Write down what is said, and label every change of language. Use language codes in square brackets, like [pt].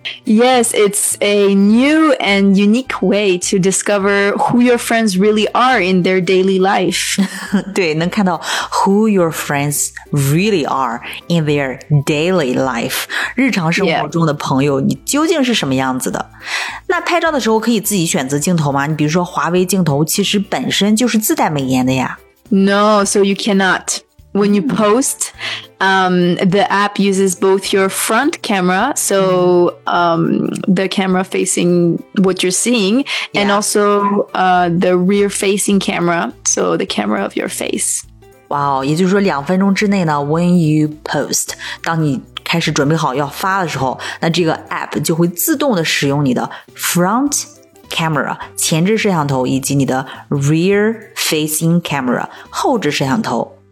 [en] Yes, it's a new and unique way to discover who your friends really are in their daily life. [zh] 对，能看到 [en] who your friends really are in their daily life. [zh] 日常生活中的朋友、yeah. 你究竟是什么样子的？那拍照的时候可以自己选择镜头吗？你比如说华为镜头其实本身就是自带美颜的呀。 [en] No, so you cannot. When you post... the app uses both your front camera, so、the camera facing what you're seeing,、yeah. and also、the rear-facing camera, so the camera of your face. [zh] Wow, 也就是说两分钟之内呢 [en] when you post, [zh] 当你开始准备好要发的时候，那这个 app 就会自动的使用你的 front camera, 前置摄像头以及你的 rear-facing camera, 后置摄像头。